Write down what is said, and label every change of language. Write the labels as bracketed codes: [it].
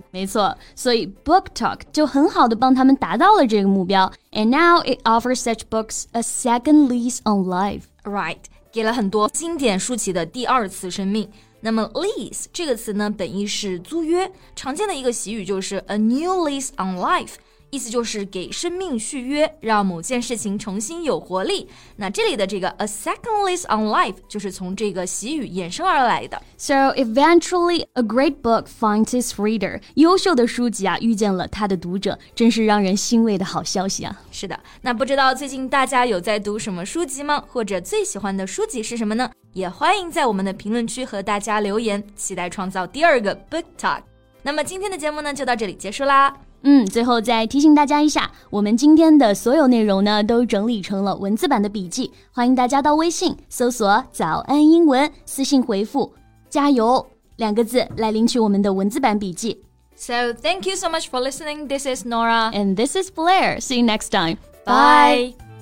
[zh] 没错，所以 BookTok 就很好地帮他们达到了这个目标。 [en] And now it offers such books a second lease on life. [zh] Right, 给了很多经典书籍的第二次生命。那么 lease 这个词呢，本意是租约，常见的一个习语就是 [en] a new lease on life. [zh] 意思就是给生命续约，让某件事情重新有活力。那这里的这个 [en] a second lease on life [zh] 就是从这个习语衍生而来的。 [en] So eventually, a great book finds its reader. [zh] 优秀的书籍啊，遇见了它的读者，真是让人欣慰的好消息啊。是的，那不知道最近大家有在读什么书籍吗？或者最喜欢的书籍是什么呢？也欢迎在我们的评论区和大家留言，期待创造第二个 book talk。那么今天的节目呢，就到这里结束啦。嗯，最后再提醒大家一下，我们今天的所有内容呢，都整理成了文字版的笔记，欢迎大家到微信搜索早安英文，私信回复加油两个字来领取我们的文字版笔记。 [en] So thank you so much for listening. This is Nora. And this is Blair. See you next time. Bye.